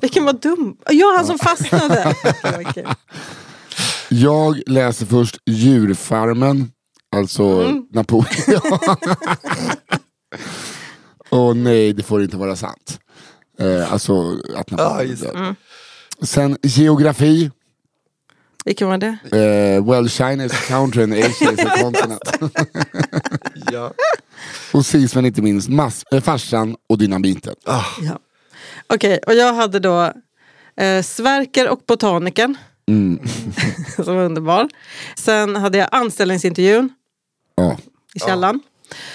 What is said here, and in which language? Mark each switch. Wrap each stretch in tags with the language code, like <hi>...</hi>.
<sv>Vilken var Dumbo? Ja, han som fastnade. Okay. Jag läser först Djurfarmen. Alltså Napoleon. Och nej, det får inte vara sant. Alltså att Napoleon är död. Sen geografi. Vilken var det?</sv> <en>Well, China's country and Asia's continent.</en> <sv>Ja. Och sist men inte minst, farsan och dynamiten. Ah. Ja. Okej, okay, och jag hade då Sverker och botaniken. Mm. Som var underbar. Sen hade jag anställningsintervjun. Ja. I källan. Ja.</sv>